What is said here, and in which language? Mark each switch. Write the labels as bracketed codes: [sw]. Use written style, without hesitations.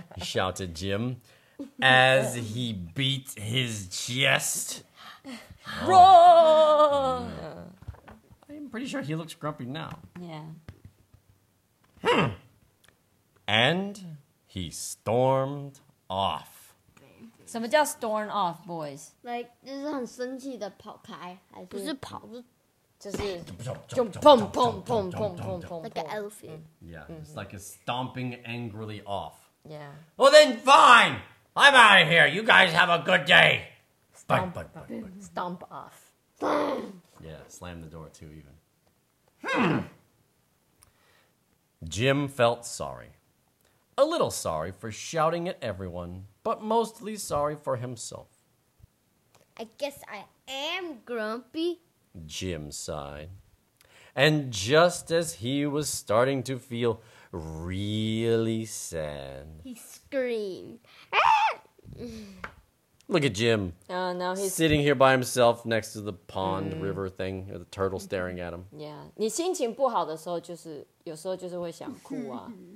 [en] shouted Jim as he beat his chest. Roar! I'm pretty sure he looks grumpy now. Yeah. And he stormed off. [zh] 什么叫 storm off, boys? Like, 就是很生气的跑开，还是不是跑是就是就砰砰砰砰砰砰 [en] like an elephant. Yeah, it's like a stomping angrily off. Yeah. Well then, fine! I'm out of here! You guys have a good day! Stomp, stomp off. Yeah, slam the door too even. Jim felt sorry. A little sorry for shouting at everyone, but mostly sorry for himself. I guess I am grumpy. Jim sighed. And just as he was starting to feel really sad, he screamed. Look at Jim. Oh, no, he's sitting here by himself next to the pond river thing, the turtle staring at him. Yeah. [zh] 你心情不好的时候就是有时候就是会想哭啊。